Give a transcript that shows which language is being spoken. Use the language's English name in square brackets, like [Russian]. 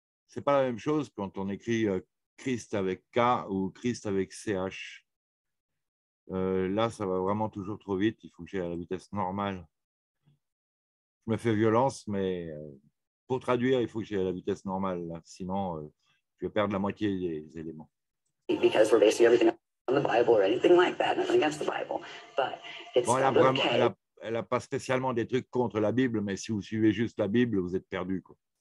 [French] C'est pas la même chose quand on écrit Christ avec K ou Christ avec CH. Là, ça va vraiment toujours trop vite. Il faut que j'aille à la vitesse normale. Je me fais violence, mais pour traduire, il faut que j'aille à la vitesse normale. Là. Sinon, je vais perdre la moitié des éléments. [English] Because we're basing everything on the Bible or anything like that, nothing against the Bible. But it's [French] bon, elle a vraiment, okay. Elle a pas spécialement des trucs contre la Bible, mais si vous suivez juste la Bible, vous êtes perdu, quoi.